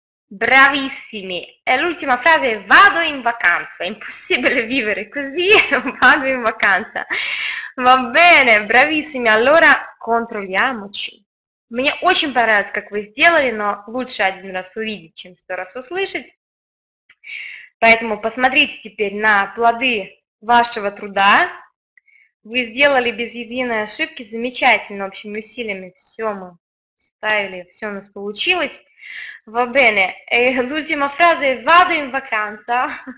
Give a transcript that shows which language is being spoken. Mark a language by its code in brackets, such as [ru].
[it] Bravissimi. E l'ultima frase, vado in vacanza. Impossibile vivere così, vado in vacanza. Va bene, bravissimi. Allora, controlliamoci. [ru] Мне очень понравилось, как вы сделали, но лучше один раз увидеть, чем 100 раз услышать. Поэтому посмотрите теперь на плоды вашего труда. Вы сделали без единой ошибки замечательно. Общими усилиями все мы ставили, все у нас получилось. [it] Va bene. L'ultima frase, vado in vacanza.